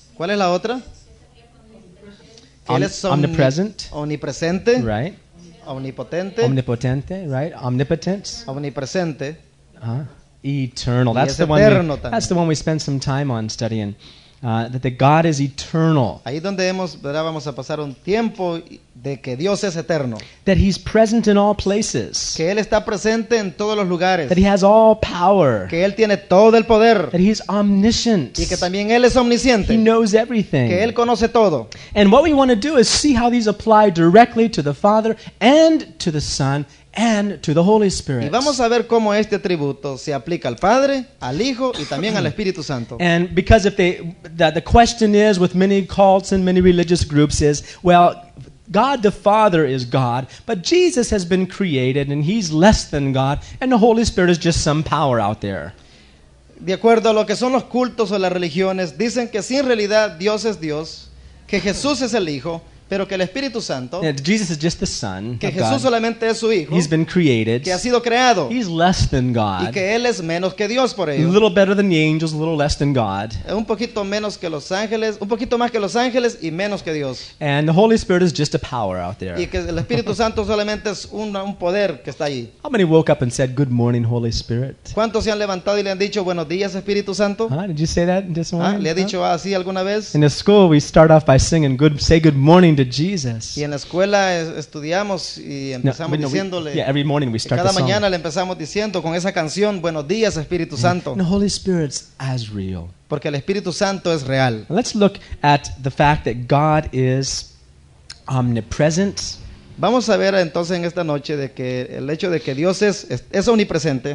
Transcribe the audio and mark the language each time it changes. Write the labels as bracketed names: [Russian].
[Spanish] ¿Cuál es la otra? [English] Omnipresent. [Spanish] Omnipresente. [English] Right. [Spanish] Omnipotente. Omnipotente, [English] right. Omnipotence. [Spanish] Omnipresente. [English] Eternal. That's the one. That's the one we spent some time on studying. That the God is eternal. [Spanish] Ahí donde hemos, ¿verdad? Vamos a pasar un tiempo de que Dios es eterno. [English] That he's present in all places. [Spanish] Que él está presente en todos los lugares. [English] That he has all power. [Spanish] Que él tiene todo el poder. [English] That he's omniscient. [Spanish] Y que también él es omnisciente. [English] He knows everything. [Spanish] Que él conoce todo. [English] And what we want to do is see how these apply directly to the Father and to the Son and to the Holy Spirit. [Spanish] Y vamos a ver cómo este atributo se aplica al Padre, al Hijo y también al Espíritu Santo. [English] And because if they, the question is with many cults and many religious groups is, well, God the Father is God, but Jesus has been created and he's less than God and the Holy Spirit is just some power out there. [Spanish] De acuerdo a lo que son los cultos o las religiones, dicen que sí, en realidad Dios es Dios, que Jesús es el Hijo, pero que el Espíritu Santo, [English] yeah, Jesus is just the Son of God. [Spanish] Que Jesús solamente es su Hijo. [English] He's been created. [Spanish] Que ha sido creado. [English] He's less than God. [Spanish] Y que él es menos que Dios por ello. [English] A little better than the angels, a little less than God. [Spanish] Un poquito menos que los ángeles, un poquito más que los ángeles y menos que Dios. [English] And the Holy Spirit is just a power out there. [Spanish] Y que el Espíritu Santo solamente es un poder que está allí. [English] How many woke up and said, "Good morning, Holy Spirit"? [Spanish] ¿Cuántos se han levantado y le han dicho, "Buenos días, Espíritu Santo"? [English] Did you say that this morning? [Spanish] ¿Le ha dicho así alguna vez? [English] In the school, we start off by singing, "Say good morning to Jesus." [Spanish] Y en la escuela estudiamos y empezamos diciéndole. [English] Yeah, every morning we start. [Spanish] Cada mañana le empezamos diciendo con esa canción, "Buenos días, Espíritu Santo." [English] The Holy Spirit's as real. [Spanish] Porque el Espíritu Santo es real. [English] Let's look at the fact that God is omnipresent. [Spanish] Vamos a ver entonces en esta noche de que el hecho de que Dios es omnipresente.